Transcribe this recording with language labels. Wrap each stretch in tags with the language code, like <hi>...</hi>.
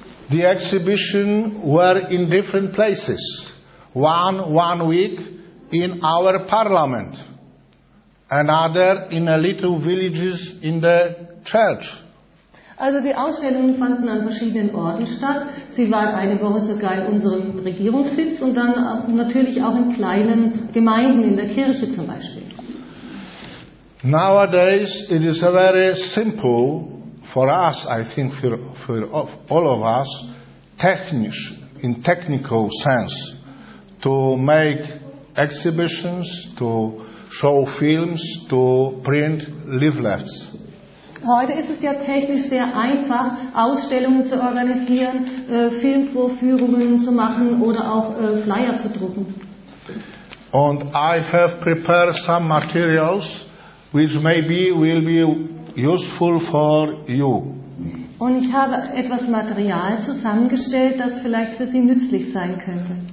<en>The exhibition were in different places. One week in our parliament. Another in a little villages in the church.</en> <de>Also die Ausstellungen fanden an verschiedenen Orten statt. Sie waren eine Woche sogar in unserem Regierungssitz und dann natürlich auch in kleinen Gemeinden, in der Kirche zum Beispiel.</de> <en>Nowadays it is a very simple for us, I think for all of us, technical sense to make exhibitions, to show films, to print leaflets.</en> <de>Heute ist es ja technisch sehr einfach, Ausstellungen zu organisieren, Filmvorführungen zu machen oder auch Flyer zu drucken.</de> <en>And I have prepared some materials which maybe will be useful for you.</en> <de>Und ich habe etwas Material zusammengestellt, das vielleicht für Sie nützlich sein könnte.</de>